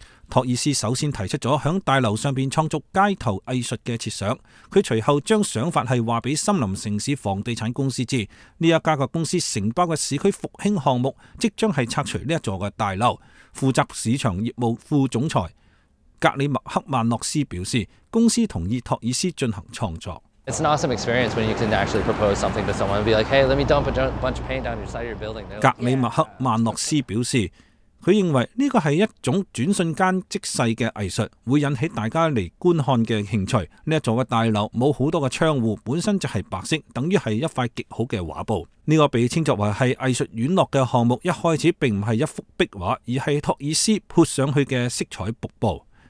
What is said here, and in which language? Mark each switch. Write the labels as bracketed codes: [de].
[zh] 托尔斯首先提出了在大楼上创作街头艺术的设想，他随后将想法告诉森林城市房地产公司，这一家公司承包的市区复兴项目即将拆除这座大楼。负责市场业务副总裁格里默克曼诺斯表示，公司同意托尔斯进行创作。 [en] It's an awesome experience when you can actually propose something to someone and be like, hey, let me dump a bunch of paint down your side of your building. [zh] 格里默克曼诺斯表示，他认为这个是一种转瞬间即逝的艺术，会引起大家来观看的兴趣。这座大楼没有很多的窗户，本身就是白色，等于是一块极好的画布。这个被称作为是艺术院落的项目，一开始并不是一幅壁画，而是托尔斯泼上去的色彩瀑布。